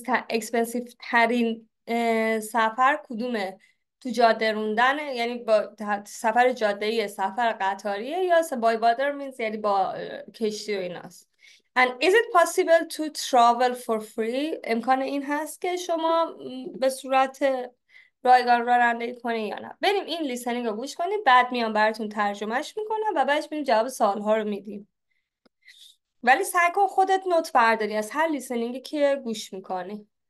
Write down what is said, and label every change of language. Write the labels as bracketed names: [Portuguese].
[Persian] expensive ترین سفر کدومه؟ تو جاده روندن یعنی با سفر جاده‌ای، سفر قطاریه، یا [English] by water means [Persian] یعنی با کشتی و ایناست. [English] And is it possible to travel for free? [Persian] امکان این هست که شما به صورت رایگان رانندگی کنی یا نه؟ بریم این لیسنینگ رو گوش کنیم، بعد میام براتون ترجمهش میکنم و بعدش بریم جواب سوال ها رو میدیم. ولی سعی کن خودت نوت برداری از هر لیسنینگی که گوش میکنی.